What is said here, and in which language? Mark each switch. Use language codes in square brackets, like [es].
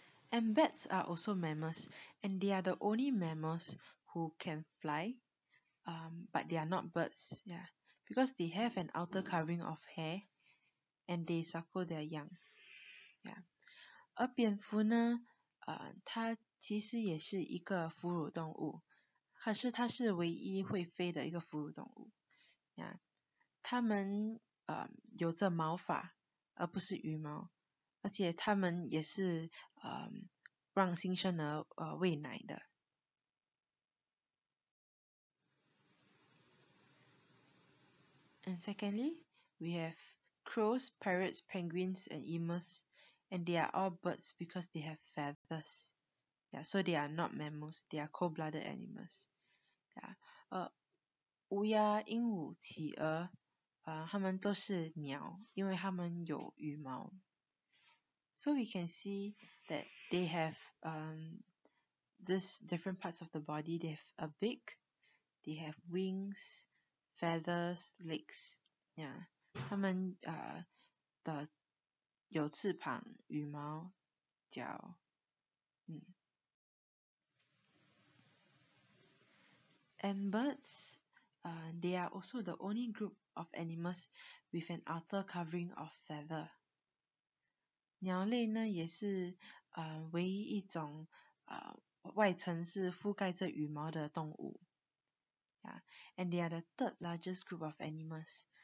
[en] And bats are also mammals, and they are the only mammals. Who can fly, but they are not birds, yeah, because they have an outer covering of hair, and they suckle their young, yeah. [zh] 而蝙蝠呢，它其实也是一个哺乳动物，可是它是唯一会飞的一个哺乳动物，yeah. 它们有着毛发，而不是羽毛，而且它们也是让新生儿喂奶的。 [en] And secondly, we have crows, parrots, penguins, and emus, and they are all birds because they have feathers. Yeah, so they are not mammals, they are cold-blooded animals. [zh] Yeah, 乌鸦、鹦鹉、企鹅，它们都是鸟，因为它们有羽毛。 [en] So we can see that they have these different parts of the body. They have a beak, they have wings. Feathers, legs, yeah, [zh] 它们的有翅膀、羽毛、脚。 [en] And birds, they are also the only group of animals with an outer covering of feather. [zh] 鸟类呢也是唯一一种外层是覆盖着羽毛的动物。 [en] 啦 and they are the third largest group of animals.